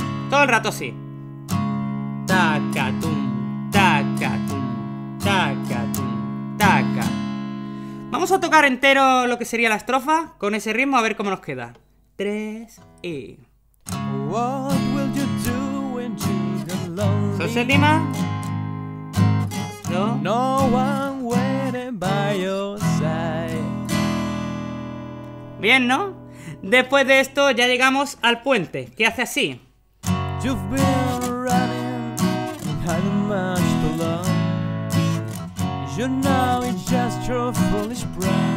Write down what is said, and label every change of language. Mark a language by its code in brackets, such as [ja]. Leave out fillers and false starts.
[es] Todo el rato así. Tacatum, tacatum, tacatum, taca. Vamos a tocar entero lo que sería la estrofa con ese ritmo a ver cómo nos queda. 3 y. [en] What will you do when she's alone? [es] Sol séptima. [en] Do. No one waiting by your side. [es] Bien, ¿no? Después de esto ya llegamos al puente, que hace así. [en] You've been running, had much to learn. You know it's just your foolish pride.